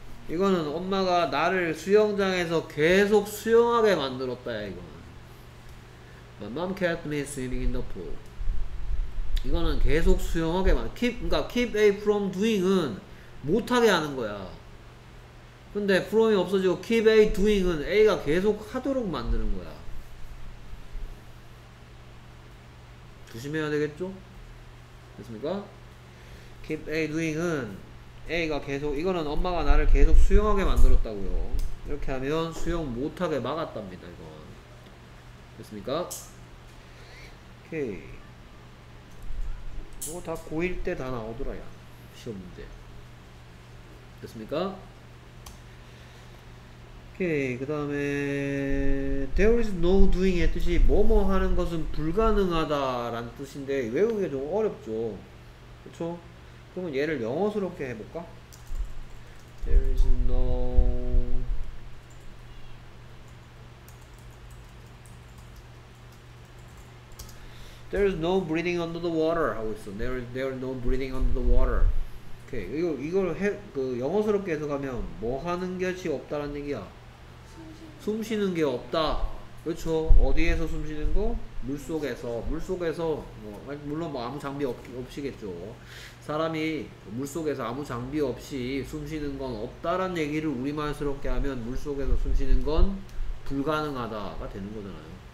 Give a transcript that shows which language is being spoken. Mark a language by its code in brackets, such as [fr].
[ko] 이거는 엄마가 나를 수영장에서 계속 수영하게 만들었다, 이거는. [en] My mom kept me swimming in the pool. [ko] 이거는 계속 수영하게 만들, keep, 그러니까 keep A from doing은 못하게 하는 거야. 근데 from이 없어지고 keep A doing은 A가 계속 하도록 만드는 거야. 조심해야 되겠죠? 됐습니까? keep A doing은 A가 계속, 이거는 엄마가 나를 계속 수영하게 만들었다고요. 이렇게 하면 수영 못하게 막았답니다, 이건. 됐습니까? 오케이. 이거 다 고1 때 다 나오더라, 야. 시험 문제. 됐습니까? 오케이. 그 다음에, there is no doing의 뜻이 뭐뭐 하는 것은 불가능하다란 뜻인데, 외우기가 좀 어렵죠. 그쵸? 그러면 얘를 영어스럽게 해볼까? [en] There is no There is no breathing under the water 하고 있어. There is no breathing under the water. [ko] 오케이. 이걸 해, 그 영어스럽게 해석하면 뭐 하는 것이 없다라는 얘기야. 숨 쉬는 게 없다. 그렇죠. 어디에서 숨 쉬는 거? 물속에서 뭐, 물론 뭐 아무 장비 없이겠죠. 사람이 물속에서 아무 장비 없이 숨 쉬는 건 없다란 얘기를 우리말스럽게 하면 물속에서 숨 쉬는 건 불가능하다가 되는 거잖아요.